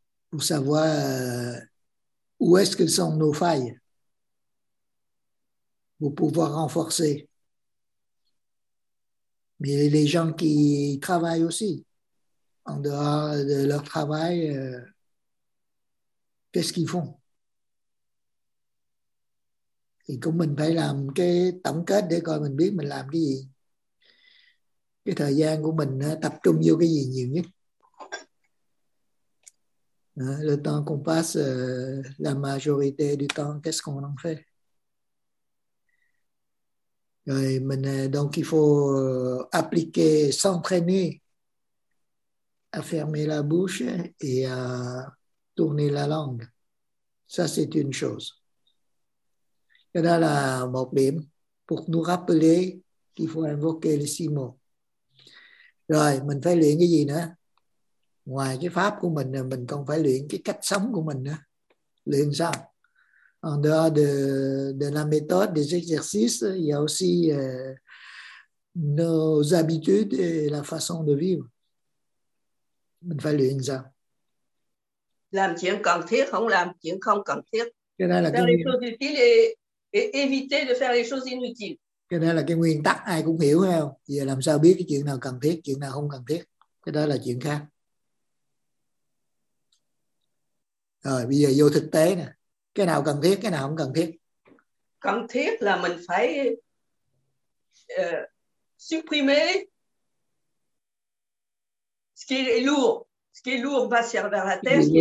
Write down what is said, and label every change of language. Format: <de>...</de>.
<fr>Pour savoir où est-ce que sont nos failles, pour pouvoir renforcer. Mais les gens qui travaillent aussi, en dehors de leur travail, qu'est-ce qu'ils font?</fr> <vi>Thì cũng mình phải làm cái tổng kết để coi mình biết mình làm cái gì. Cái thời gian của mình tập trung vô cái gì nhiều nhất.</vi> <fr>Le temps qu'on passe, la majorité du temps, qu'est-ce qu'on en fait?</fr> <vi>Rồi mình,</vi> <fr>donc il faut appliquer, s'entraîner à fermer la bouche et à tourner la langue. Ça, c'est une chose.</fr> <vi>Cái đó là một điểm</vi> <fr>pour nous rappeler qu'il faut invoquer les six mots.</fr> <vi>Rồi, mình phải luyện cái gì nữa? Ngoài cái pháp của mình còn phải luyện cái cách sống của mình nữa. Luyện sao?</vi> <fr>En dehors de la méthode, des exercices, il y a aussi nos habitudes et la façon de vivre.</fr> <vi>Mình phải luyện sao? Làm chuyện cần thiết, không làm chuyện không cần thiết. Cái đó là cái nguyên.</vi> <fr>Et éviter de faire les choses inutiles.</fr> <vi>Cái đó là cái nguyên tắc ai cũng hiểu phải không? Giờ làm sao biết cái chuyện nào cần thiết, chuyện nào không cần thiết? Cái đó là chuyện khác. Rồi bây giờ vô thực tế nè. Cái nào cần thiết, cái nào không cần thiết? Cần thiết là mình phải</vi> <fr>supprimer ce qui est lourd va servir la tête.</fr>